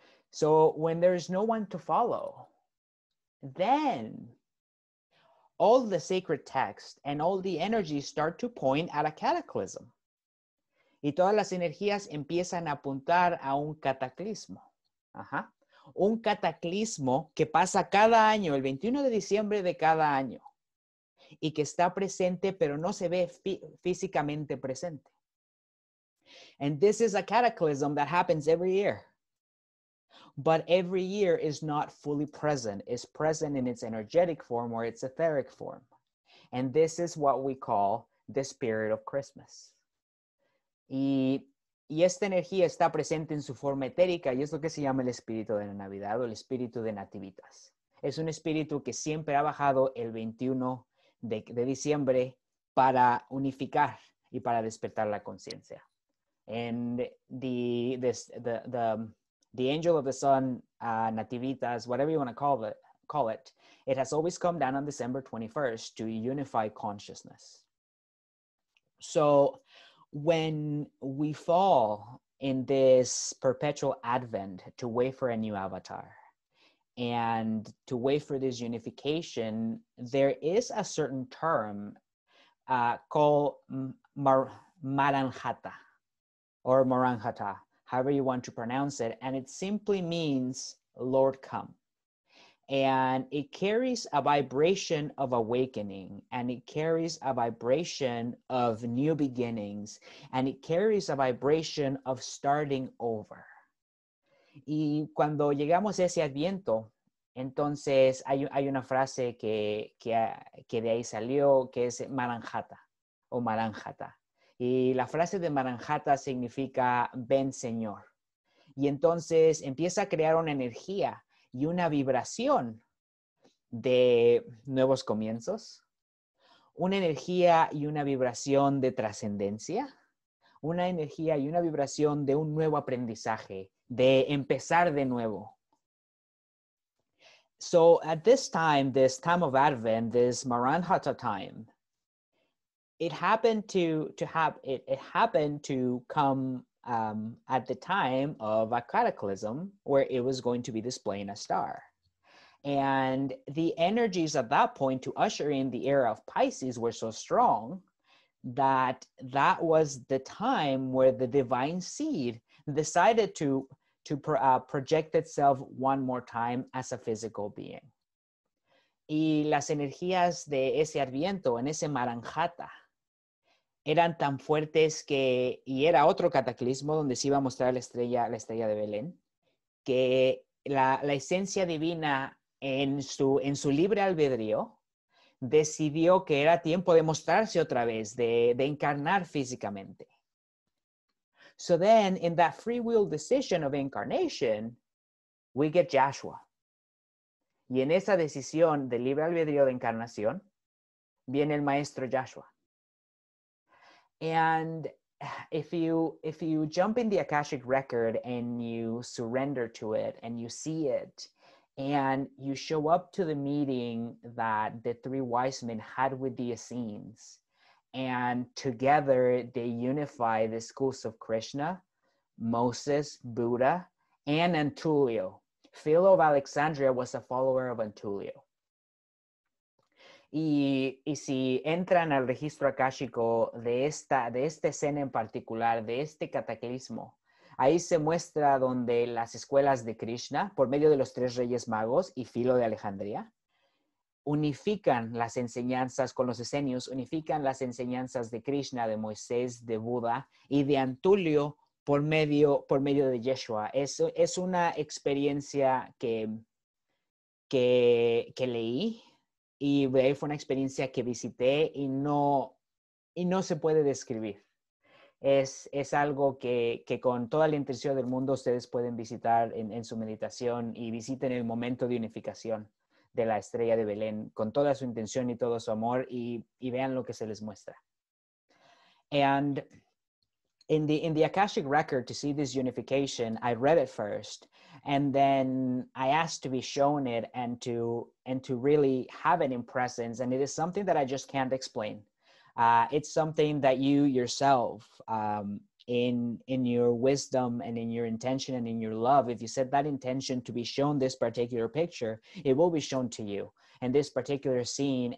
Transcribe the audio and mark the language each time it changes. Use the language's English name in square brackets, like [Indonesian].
[English] So when there is no one to follow, then all the sacred texts and all the energy start to point at a cataclysm. [Spanish] Y todas las energías empiezan a apuntar a un cataclismo. Ajá. Un cataclismo que pasa cada año, el 21 de diciembre de cada año. Y que está presente, pero no se ve físicamente presente. [English] And this is a cataclysm that happens every year. But every year is not fully present. It's present in its energetic form or its etheric form. And this is what we call the spirit of Christmas. [Spanish] Y esta energía está presente en su forma etérica y es lo que se llama el espíritu de la Navidad o el espíritu de Nativitas. Es un espíritu que siempre ha bajado el 21 de diciembre para unificar y para despertar la conciencia. [English] And the angel of the sun, Nativitas, whatever you want to call it, it has always come down on December 21st to unify consciousness. So when we fall in this perpetual Advent to wait for a new avatar and to wait for this unification, there is a certain term called maranjata or maranjata, however you want to pronounce it. And it simply means Lord come. And it carries a vibration of awakening, and it carries a vibration of new beginnings, and it carries a vibration of starting over. [Spanish] Y cuando llegamos a ese Adviento, entonces hay una frase que de ahí salió, que es Maranjata, o Maranjata. Y la frase de Maranjata significa ven Señor. Y entonces empieza a crear una energía y una vibración de nuevos comienzos, una energía y una vibración de trascendencia, una energía y una vibración de un nuevo aprendizaje, de empezar de nuevo. [English] So at this time of Advent, this Maranjata time, it happened to come at the time of a cataclysm where it was going to be displaying a star. And the energies at that point to usher in the era of Pisces were so strong that was the time where the divine seed decided to project itself one more time as a physical being. [Spanish] Y las energías de ese Adviento, en ese Maranjata, eran tan fuertes que, y era otro cataclismo donde se iba a mostrar la estrella de Belén, que la esencia divina en su libre albedrío decidió que era tiempo de mostrarse otra vez, de encarnar físicamente. [English] So then, in that free will decision of incarnation, we get Joshua. [Spanish] Y en esa decisión de libre albedrío de encarnación, viene el maestro Joshua. And [English] If you jump in the Akashic record and you surrender to it and you see it, and you show up to the meeting that the three wise men had with the Essenes, and together they unify the schools of Krishna, Moses, Buddha, and Antulio. Philo of Alexandria was a follower of Antulio. [Spanish] Y si entran al registro akáshico de esta escena en particular, de este cataclismo, ahí se muestra donde las escuelas de Krishna, por medio de los tres reyes magos y Filo de Alejandría, unifican las enseñanzas con los esenios, unifican las enseñanzas de Krishna, de Moisés, de Buda y de Antulio por medio de Yeshua. Es una experiencia que leí, y ahí fue una experiencia que visité y no se puede describir. Es algo que con toda la intención del mundo ustedes pueden visitar en su meditación y visiten el momento de unificación de la estrella de Belén con toda su intención y todo su amor y vean lo que se les muestra. [English] And in the Akashic record to see this unification, I read it first and then I asked to be shown it and to really have it in presence, and it is something that I just can't explain. It's something that you yourself, in your wisdom and in your intention and in your love, if you set that intention to be shown this particular picture, it will be shown to you in this particular scene.